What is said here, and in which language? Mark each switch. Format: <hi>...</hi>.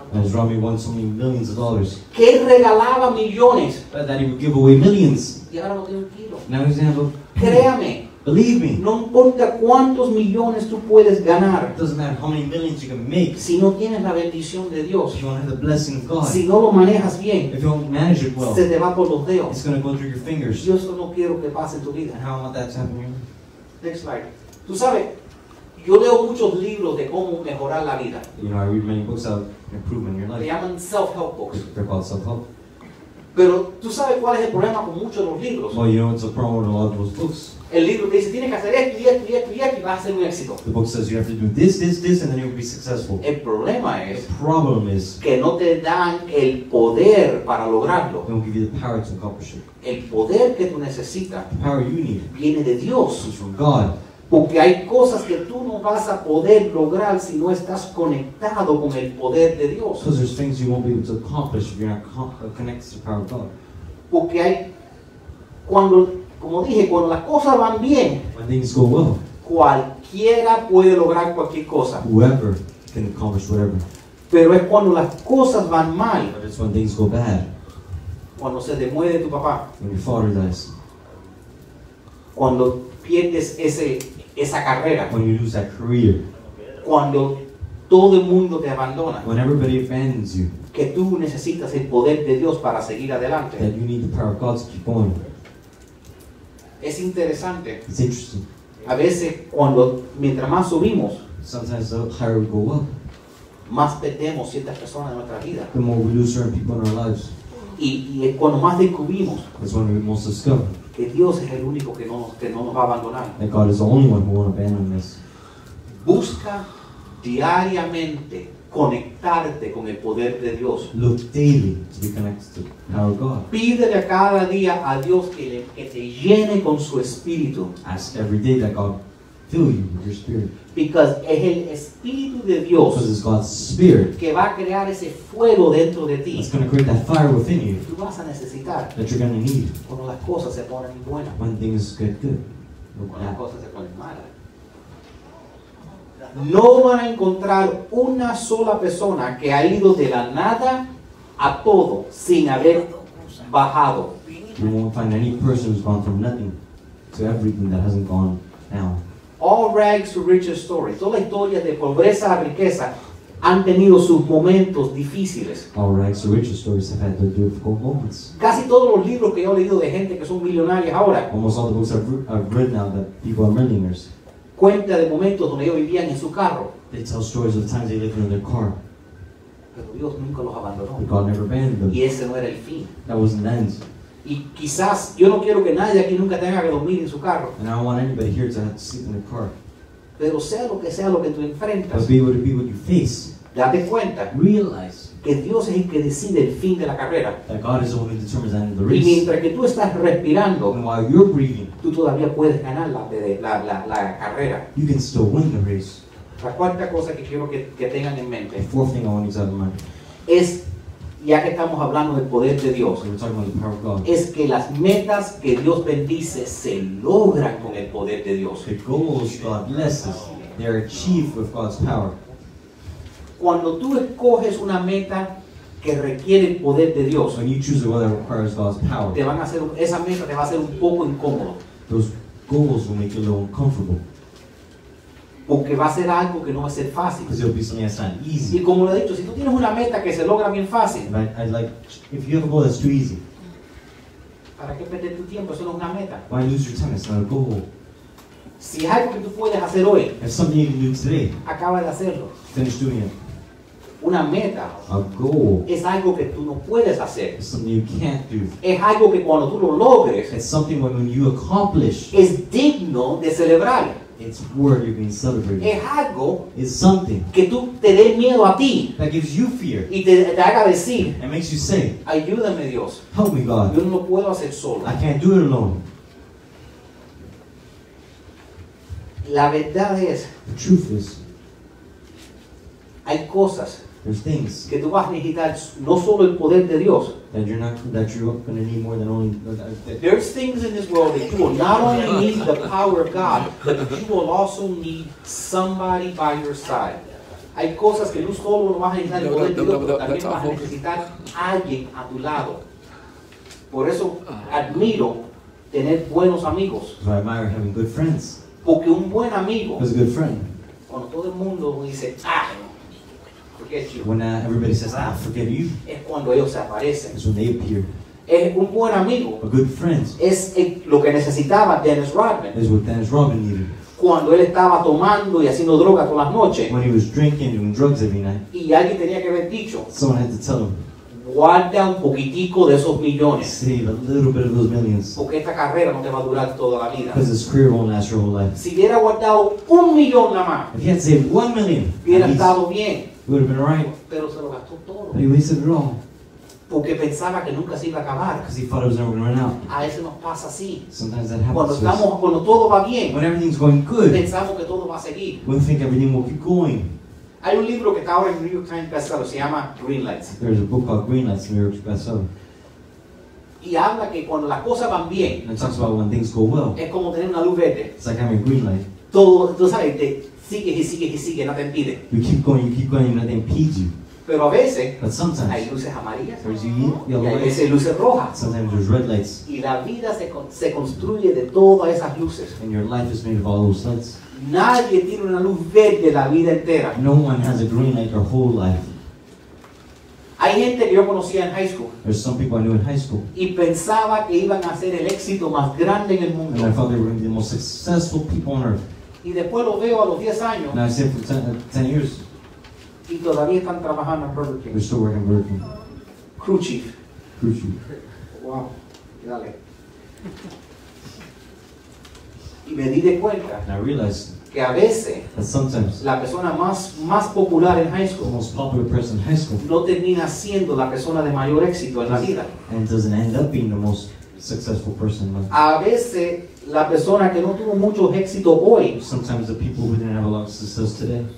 <en>As Rami won so many millions of dollars.</en> <es>Que regalaba millones.</es> <en>That he would give away millions.</en> <es>Y ahora no tiene un kilo.</es> <en>Now he's going to have a...</en> <es>Créame.</es> <en>Believe me.</en> <es>No importa cuántos millones tú puedes ganar.</es> <en>It doesn't matter how many millions you can make.</en> <es>Si no tienes la bendición de Dios.</es> <en>If you don't have the blessing of God.</en> <es>Si no lo manejas bien.</es> <en>If you don't manage it well.</en> <es>Se te va por los dedos.</es> <en>It's going to go through your fingers.</en> <es>Yo eso no quiero que pase en tu vida.</es> <en>And I don't want that to happen to you. Next slide.</en> <es>Tú sabes... Yo leo muchos libros de cómo mejorar la vida.</es> <en>You know, I read many books about improvement in your life.</en> <es>Se llaman self-help books.</es> <en>They're called self-help.</en> <es>Pero, ¿tú sabes cuál es el problema con muchos de los libros?</es> <en>Well, you know, it's a problem with a lot of those books.</en> <es>El libro te dice, tienes que hacer esto, y esto, y esto, y esto, y vas a ser un éxito.</es> <en>The book says you have to do this, this, this, and then you'll be successful.</en> <es>El problema es...</es> <en>The problem is...</en> <es>Que no te dan el poder para lograrlo.</es> <en>They don't give you the power to accomplish it.</en> <es>El poder que tú necesitas...</es> <en>The power you need...</en> <es>Viene de Dios.</es> <en>It's from God.</en> <es>Porque hay cosas que tú no vas a poder lograr si no estás conectado con el poder de Dios.</es> <en>Because there's things you won't be able to accomplish if you're not connected to the power of God.</en> <es>Porque hay, cuando, como dije, cuando las cosas van bien,</es> <en>when things go well,</en> <es>cualquiera puede lograr cualquier cosa.</es> <en>Whoever can accomplish whatever.</en> <es>Pero es cuando las cosas van mal.</es> <en>But it's when things go bad.</en> <es>Cuando se te muere tu papá.</es> <en>When your father dies.</en> <es>Cuando pierdes esa carrera.</es> <en>When you lose that career.</en> <es>Cuando todo el mundo te abandona.</es> <en>When everybody abandons you.</en> <es>Que tú necesitas el poder de Dios para seguir adelante.</es> <en>That you need the power of God to keep going.</en> <es>Es interesante.</es> <en>It's interesting.</en> <es>A veces, cuando, mientras más subimos.</es> <en>Sometimes the higher we go up.</en> <es>Más perdemos ciertas personas de nuestra vida.</es> <en>The more we lose certain people in our lives.</en> <es>Y cuando más descubrimos.</es> <en>That's when we most discover.</en> <es>Que Dios es el único que no nos va a abandonar.</es> <en>That God is the only one who won't abandon us.</en> <es>Busca diariamente conectarte con el poder de Dios.</es> <en>Look daily to be connected to the power of God.</en> <es>Pídele a cada día a Dios que te llene con su espíritu.</es> <en>Ask every day that God fill you with your spirit. Because</en> <es>es el espíritu de Dios.</es> <en>Because it's God's spirit.</en> <es>Que va a crear ese fuego dentro de ti.</es> <en>It's going to create that fire within you.</en> <es>Tú vas a necesitar.</es> <en>That you're going to need.</en> <es>Cuando las cosas se ponen buenas.</es> <en>When things get good.</en> <es>Cuando las cosas se ponen malas. No van a encontrar una sola persona que ha ido de la nada a todo sin haber bajado.</es> <en>You won't find any person who's gone from nothing to everything that hasn't gone down. All rags to riches story.</en> <es>Toda la historia de pobreza a riqueza han tenido sus momentos difíciles.</es> <en>All rags to riches stories have had their difficult moments.</en> <es>Casi todos los libros que yo he leído de gente que son millonarios ahora.</es> <en>Almost all the books I've read now that people are millionaires.</en> <es>Cuenta de momentos donde ellos vivían en su carro.</es> <en>They tell stories of times they lived in their car.</en> <es>Pero Dios nunca los abandonó.</es> <en>But God never abandoned them.</en> <es>Y ese no era el fin.</es> <en>That wasn't the end.</en> <es>Y quizás yo no quiero que nadie aquí nunca tenga que dormir en su carro.</es> <en>And I don't want anybody here to have to sleep in the car.</en> <es>Pero sea lo que tú enfrentas.</es> <en>But be able to be what you face.</en> <es>Date cuenta.</es> <en>Realize.</en> <es>Que Dios es el que decide el fin de la carrera.</es> <en>That God is the one who determines the end of the race.</en> <es>Y mientras que tú estás respirando.</es> <en>And while you're breathing.</en> <es>Tú todavía puedes ganar la carrera.</es> <en>You can still win the race.</en> <es>La cuarta cosa que quiero que tengan en mente.</es> <en>The fourth thing I want you to have in mind.</en> <es>Es... Ya que estamos hablando del poder de Dios,</es> <en>so we're talking about the power of God.</en> <es>Es que las metas que Dios bendice se logran con el poder de Dios.</es> <en>The goals God blesses, they are achieved with God's power.</en> <es>Cuando tú escoges una meta que requiere el poder de Dios,</es> <en>when you choose a goal that requires God's power,</en> <es>te van a hacer, esa meta te va a hacer un poco incómodo.</es> <en>Those goals will make you a little uncomfortable.</en> <es>Porque va a ser algo que no va a ser fácil.</es> <en>Because it'll be something that's not easy.</en> <es>Y como lo he dicho, si tú tienes una meta que se logra bien fácil,</es> <en>if you have a goal that's too easy,</en> <es>¿para qué perder tu tiempo? Eso no es una meta.</es> <en>Why lose your time? It's not a goal.</en> <es>Si es algo que tú puedes hacer hoy,</es> <en>if something you can do today,</en> <es>acaba de hacerlo.</es> <en>Finish doing it.</en> <es>Una meta,</es> <en>a goal,</en> <es>es algo que tú no puedes hacer.</es> <en>It's something you can't do.</en> <es>Es algo que cuando tú lo logres,</es> <en>it's something when you accomplish,</en> <es>es digno de celebrar.</es> <en>It's worthy of being celebrated.</en> <es>Es algo,</es> <en>it's something</en> <es>que tú te dé miedo a ti,</es> <en>that gives you fear,</en> <es>y te haga decir,</es> <en>and makes you say,</en> <es>ayúdame Dios,</es> <en>help me God,</en> <es>yo no lo puedo hacer solo.</es> <en>I can't do it alone.</en> <es>La verdad es,</es> <en>the truth is,</en> <es>hay cosas,</es> <en>there's things,</en> <es>que tú vas a necesitar no solo el poder de Dios,</es> <en>that you're not, that you're going to need more than only there's things in this world that you will not only need the power of God, but you will also need somebody by your side.</en> <es>Hay cosas que no solo vas a necesitar el poder de Dios, pero también vas a necesitar alguien a tu lado. Por eso admiro tener buenos amigos.</es> <en>So I admire having good friends.</en> <es>Porque un buen amigo,</es> <en>a good friend,</en> <es>cuando todo el mundo dice, ah,</es> <en>when everybody says, ah, forget you,</en> <es>es cuando ellos se aparecen.</es> <en>It's when they appear.</en> <es>Es un buen amigo.</es> <en>A good friend.</en> <es>Es lo que necesitaba Dennis Rodman.</es> <en>It's what Dennis Rodman needed.</en> <es>Cuando él estaba tomando y haciendo drogas todas las noches.</es> <en>When he was drinking and doing drugs every night.</en> <es>Y alguien tenía que haber dicho,</es> <en>someone had to tell him,</en> <es>guarda un poquitico de esos millones.</es> <en>Save a little bit of those millions.</en> <es>Porque esta carrera no te va a durar toda la vida.</es> <en>Because this career won't last your whole life.</en> <es>Si hubiera guardado un millón nada más,</es> <en>if he had saved 1 million,</en> <es>hubiera estado bien.</es> <en>It would have been right.</en> <es>Pero se lo gastó todo.</es> <en>But he wasted it all.</en> <es>Porque pensaba que nunca se iba a acabar.</es> <en>Because he thought it was never going to run out.</en> <es>A eso nos pasa así.</es> <en>Sometimes that happens.</en> <es>Cuando estamos, cuando todo va bien,</es> <en>when everything's going good,</en> <es>pensamos que todo va a seguir.</es> <en>We think everything will keep going.</en> <es>Hay un libro que está ahora en New York Times bestseller. Se llama Green Lights.</es> <en>There's a book called Green Lights, New York Times bestseller.</en> <es>Y habla que cuando las cosas van bien,</es> <en>and it talks about when things go well,</en> <es>es como tener una luz verde.</es> <en>It's like having a green light.</en> <es>Todo, tú sabes, te sigue y sigue y sigue, no te impide.</es> <en>You keep going,</en> <es>no te impide. Pero a veces,</es> <en>but sometimes,</en> <es>hay luces amarillas.</es> <en>There's yellow</en> <es>lights. Y a veces luces rojas.</es> <en>Sometimes there's red lights.</en> <es>Y la vida se construye de todas esas luces.</es> <en>And your life is made of all those lights.</en> <es>Nadie tiene una luz verde la vida entera.</es> <en>No one has a green light their whole life.</en> <es>Hay gente que yo conocía en high school.</es> <en>There's some people I knew in high school.</en> <es>Y pensaba que iban a ser el éxito más grande en el mundo.</es> <en>And I thought they were going to be the most successful people on earth.</en> <es>Y después lo veo a los 10 años.</es> <en>Now I see it for 10 years.</en> <es>Y todavía están trabajando en Burger King.</es> <en>They're still working Burger King. Crew chief. Crew chief.</en> <es>Wow. Dale. Y me di de cuenta.</es> <en>And I realized</en> <es>que a veces,</es> <en>that sometimes,</en> <es>la persona más popular en high school,</es> <en>the most popular person in high school,</en> <es>no termina siendo la persona de mayor éxito en la vida.</es> <en>And doesn't end up being the most successful person in life.</en> <es>A veces, la persona que no tuvo mucho éxito hoy,</es> <en>sometimes the people who didn't have a lot of success today,</en>